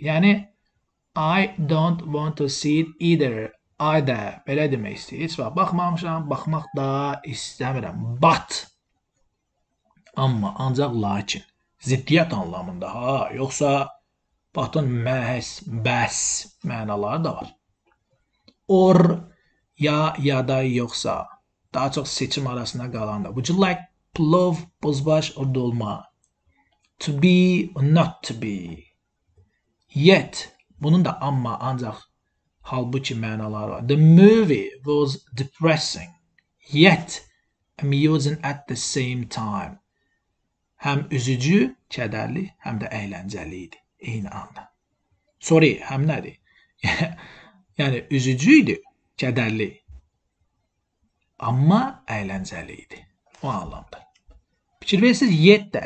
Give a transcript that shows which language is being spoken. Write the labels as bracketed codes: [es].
[az] Yəni, [en] I don't want to see it either. [az] Ayda, belə demək istəyir. Heç vaxt baxmamışam, baxmaq da istəmirəm. But. Amma, ancaq lakin. Ziddiyyət anlamında ha. Yoxsa, batın məhz, bəs mənaları da var. Or, ya, ya da yoxsa. Daha çox seçim arasında qalan da. [en] Would you like plov, buzbaş, or dolma? To be, not to be. Yet. [az] Bunun da amma, ancaq. Halbuki mənalar var. [en] The movie was depressing, yet amusing at the same time. [az] Həm üzücü, kədərli, həm də əyləncəli idi eyni anda. Sorry, həm nədir? Yəni üzücü idi, kədərli. Amma əyləncəli idi o anlamda. Fikir verirsiniz, yet də.